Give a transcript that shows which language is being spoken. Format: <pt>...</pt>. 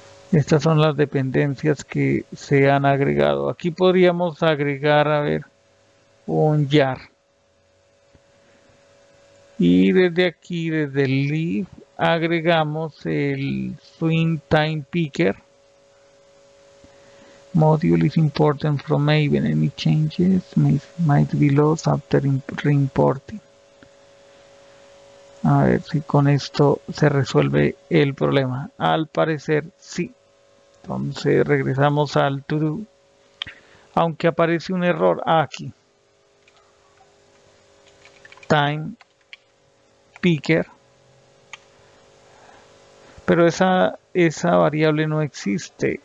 <es>Estas son las dependencias que se han agregado. Aquí podríamos agregar, a ver, un jar. Y desde aquí, desde el leaf, agregamos el swing time picker.</es> <en>Module is important from Maven. Any changes might be lost after reimporting.</en> <es>A ver si con esto se resuelve el problema. Al parecer, sí. Entonces regresamos al to do. Aunque aparece un error aquí. Time picker, pero esa variable no existe.</es>